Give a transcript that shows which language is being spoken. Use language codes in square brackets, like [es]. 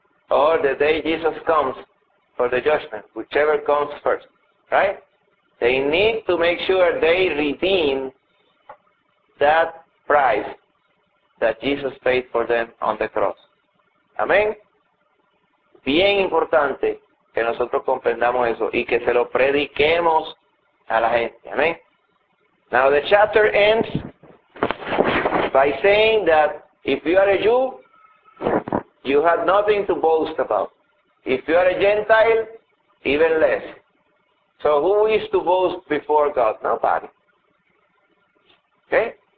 [en] Or the day Jesus comes for the judgment, whichever comes first. Right? They need to make sure they redeem that price that Jesus paid for them on the cross. [es] Amén. Bien importante que nosotros comprendamos eso y que se lo prediquemos a la gente. Amén. [en] Now the chapter ends by saying that if you are a Jew, you have nothing to boast about. If you are a Gentile, even less. So who is to boast before God? Nobody. Okay?